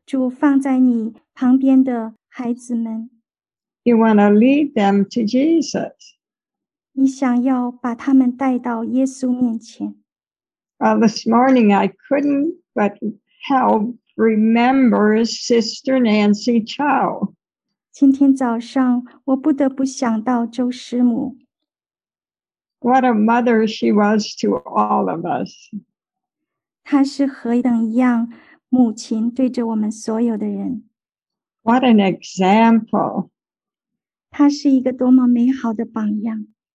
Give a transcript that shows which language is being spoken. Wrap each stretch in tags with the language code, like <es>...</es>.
<zh>你照顾那些主放在你旁边的孩子们。</zh> <en>You want to lead them to Jesus.</en> <zh>你想要把他们带到耶稣面前。</zh> <en>Well, this morning I couldn't but help remember Sister Nancy Chow.</en> <zh>今天早上我不得不想到周师母。</zh> <en>What a mother she was to all of us.</en> <zh>她是何等一样母亲对着我们所有的人。</zh> <en>What an example.</en> <zh>她是一个多么美好的榜样。</zh>